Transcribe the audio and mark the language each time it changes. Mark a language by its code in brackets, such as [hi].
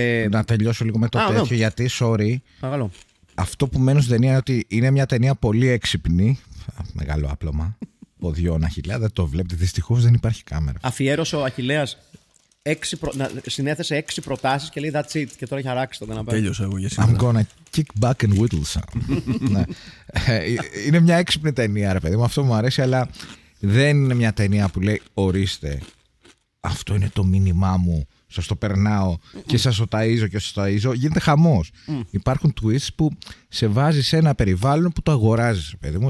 [el] Να τελειώσω λίγο με το τέτοιο, γιατί, sorry. Παρακαλώ. Αυτό που μένω στην ταινία είναι ότι είναι μια ταινία πολύ έξυπνη. Μεγάλο άπλωμα. Ο Διόν Αχιλέα δεν το βλέπετε. Δυστυχώς δεν υπάρχει κάμερα. Αφιέρωσε ο Αχιλέας. Συνέθεσε 6 προτάσεις και λέει [en] that's it. [el] Και τώρα έχει αράξει το καναπέ. Τέλειωσα εγώ για σήμερα. [en] I'm gonna kick back and whittle some. [el] Ναι. Είναι μια έξυπνη ταινία, ρε παιδί μου. Αυτό μου αρέσει, αλλά δεν είναι μια ταινία που λέει ορίστε, αυτό είναι το μήνυμά μου. Σας το περνάω και σας το ταΐζω και σας το ταΐζω. Γίνεται χαμός. Υπάρχουν twists που σε βάζει σε ένα περιβάλλον που το αγοράζεις, παιδί μου.